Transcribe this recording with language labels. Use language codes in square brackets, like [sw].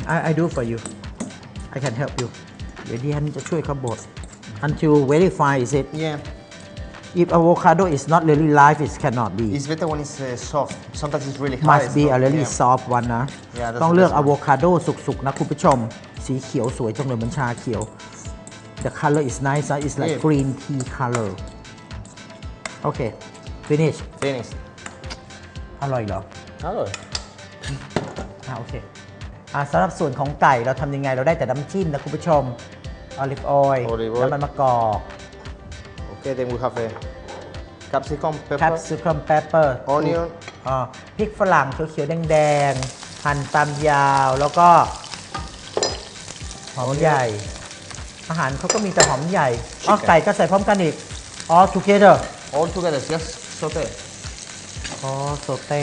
[en] I do for you I can help you [th] เดี๋ยวดิฉันจะช่วยเขาบด [en] until very fine is it yeah if avocado is not really ripe it cannot be it's better when it's soft sometimes it's really hard must be a really soft one นะ yeah, [th] ต้องเลือก avocado สุกๆนะคุณผู้ชมสีเขียวสวยจังเลยมันชาเขียว [en] the color is nice huh? it's like yeah. green tea colorโอเค finish [th] อร่อยเหรออ ร่อย โอเคสำหรับส่วนของไก่เราทำยังไงเราได้แต่น้ำจิ้มนะคุณผู้ชมออลิฟออยล์ น้ำมันมะกอก [en] โอเค then we have a capsicum pepper onion [th] พริกฝรั่งเขียวๆแดงๆหั่นตามยาวแล้วก็หอมใหญ่อาหารเขาก็มีแต่หอมใหญ่อ๋อไก่ก็ใส่พร้อมกันอีก [en] all together All together, just saute. Oh, saute.